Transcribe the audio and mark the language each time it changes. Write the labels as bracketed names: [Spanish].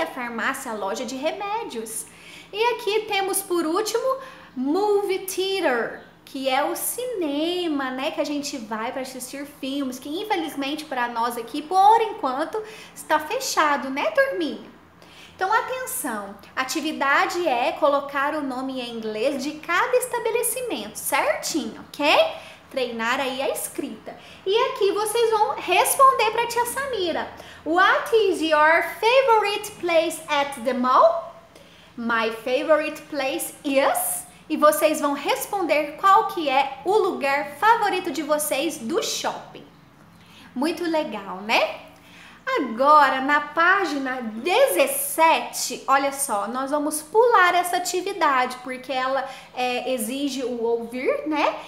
[Portuguese] A farmácia, a loja de remédios. E aqui temos, por último, movie theater, que é o cinema, né, que a gente vai para assistir filmes, que infelizmente para nós aqui, por enquanto, está fechado, né, turminha? Então, atenção, atividade é colocar o nome em inglês de cada estabelecimento, certinho, ok? Treinar aí a escrita. E aqui vocês vão responder para a tia Samira. [English] What is your favorite place at the mall? My favorite place is... [Portuguese] E vocês vão responder qual que é o lugar favorito de vocês do shopping. Muito legal, né? Agora, na página 17, olha só, nós vamos pular essa atividade, porque ela exige o ouvir, né?